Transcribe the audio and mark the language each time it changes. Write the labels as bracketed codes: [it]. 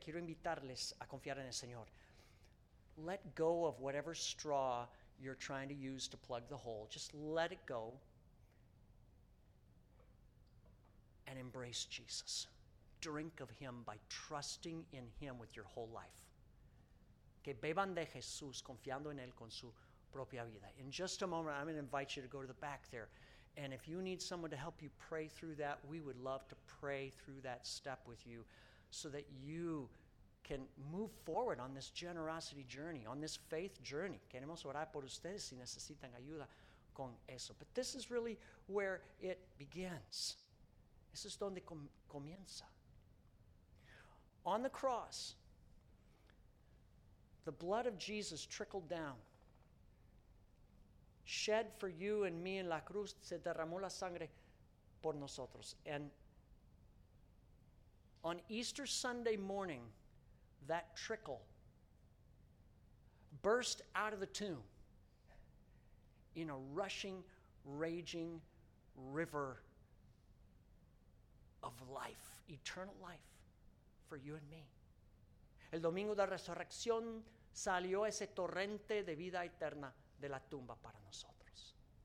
[es] Quiero invitarles a confiar en el Señor. [en] Let go of whatever straw you're trying to use to plug the hole. Just let it go and embrace Jesus. Drink of him by trusting in him with your whole life. [es] Que beban de Jesús confiando en él con su propia vida. [en] In just a moment, I'm going to invite you to go to the back there. And if you need someone to help you pray through that, we would love to pray through that step with you so that you can move forward on this generosity journey, on this faith journey. [es] Queremos orar por ustedes si necesitan ayuda con eso. [en] But this is really where it begins. This is [es] donde comienza. [en] On the cross, the blood of Jesus trickled down, shed for you and me [es] en la cruz, se derramó la sangre por nosotros. [en] And on Easter Sunday morning, that trickle burst out of the tomb in a rushing, raging river of life, eternal life for you and me. [es] El domingo de resurrección salió ese torrente de vida eterna de la tumba para nosotros.